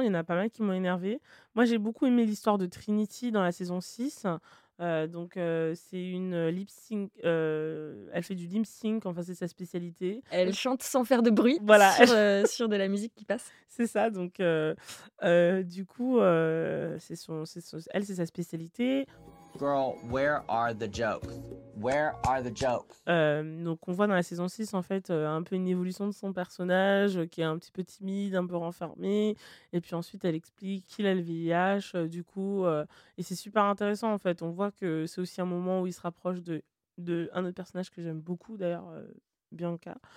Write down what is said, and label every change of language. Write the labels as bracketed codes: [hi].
[fr] Il y en a pas mal qui m'ont énervée. Moi, j'ai beaucoup aimé l'histoire de Trinity dans la saison 6. C'est une lip sync. Elle fait du lip sync, enfin, c'est sa spécialité. Elle chante sans faire de bruit, voilà. sur de la musique qui passe. C'est ça, donc du coup, c'est sa spécialité. [en] Girl, where are the jokes? Where are the jokes? [fr] Donc, on voit dans la saison 6, en fait, un peu une évolution de son personnage, qui est un petit peu timide, un peu renfermé. Et puis ensuite, elle explique qu'il a le VIH, du coup. Et c'est super intéressant, en fait. On voit que c'est aussi un moment où il se rapproche de un autre personnage que j'aime beaucoup, d'ailleurs, Bianca.